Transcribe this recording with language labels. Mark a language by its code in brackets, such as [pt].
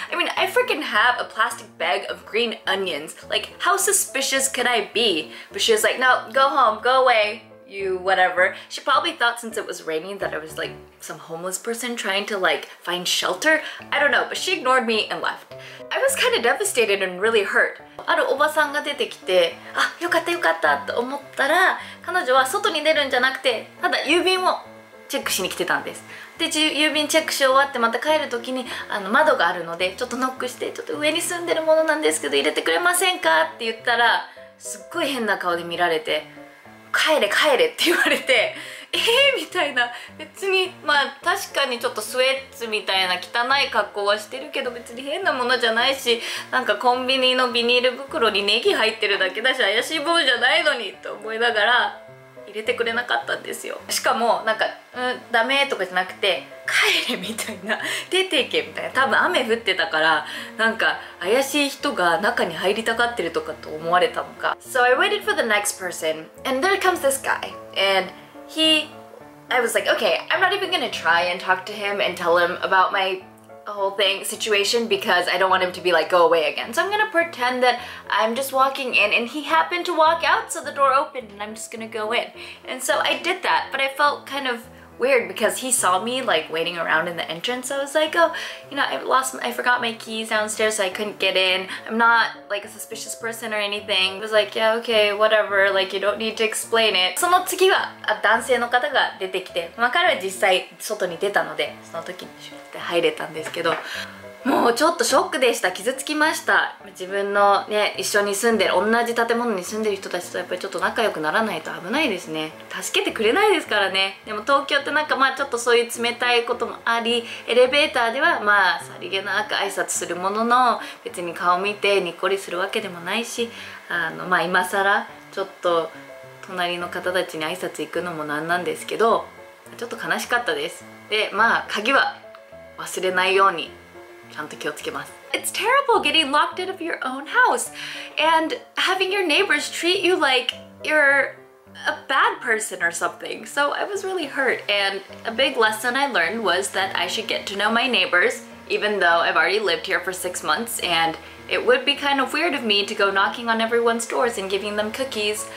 [en] I mean, I freaking have a plastic bag of green onions. Like, how suspicious could I be? But she was like, no, go home, go away, you whatever. She probably thought since it was raining that I was like some homeless person trying to like find shelter. I don't know, but she ignored me and left. I was kind of devastated and really hurt. [ja] あるおばさんが出てきて、あ、よかったよかったと思ったら、彼女は外に出るんじゃなくて、ただ郵便をチェックしに来てたんです。で、郵便チェックし終わってまた帰る時に、あの窓があるのでちょっとノックして、ちょっと上に住んでるものなんですけど入れてくれませんかって言ったら、すっごい変な顔で見られて、帰れ帰れって言われて、みたいな。別にまあ確かにちょっとスウェッツみたいな汚い格好はしてるけど、別に変なものじゃないし、なんかコンビニのビニール袋にネギ入ってるだけだし、怪しい棒じゃないのにと思いながら入れてくれなかったんですよ。しかもなんか、うん、ダメとかじゃなくて、帰れみたいな、出ていけみたいな。多分雨降ってたから、なんか怪しい人が中に入りたがってるとかと思われたのか。 [en] So I waited for the next person, and there comes this guy, andI was like, okay, I'm not even gonna try and talk to him and tell him about my whole thing situation, because I don't want him to be like, go away again. So I'm gonna pretend that I'm just walking in, and he happened to walk out, so the door opened and I'm just gonna go in. And so I did that, but I felt kind of weird because he saw me like waiting around in the entrance. I was like, oh, you know, I forgot my keys downstairs, so I couldn't get in. I'm not like a suspicious person or anything. I was like, yeah, okay, whatever, like you don't need to explain it. [ja] その次は男性の方が出てきて、まあ彼は実際外に出たので、その時にシュッて入れたんですけど、もうちょっとショックでした。傷つきました。自分のね、一緒に住んでる、同じ建物に住んでる人たちとやっぱりちょっと仲良くならないと危ないですね。助けてくれないですからね。でも東京ってなんかまあちょっとそういう冷たいこともあり、エレベーターではまあさりげなく挨拶するものの、別に顔見てにっこりするわけでもないし、あのまあ今更ちょっと隣の方たちに挨拶行くのもなんなんですけど、ちょっと悲しかったです。で、まあ鍵は忘れないようにちゃんと気をつけます。 [en] It's terrible getting locked out of your own house and having your neighbors treat you like you're a bad person or something. So I was really hurt, and a big lesson I learned was that I should get to know my neighbors, even though I've already lived here for 6 months, and it would be kind of weird of me to go knocking on everyone's doors and giving them cookies.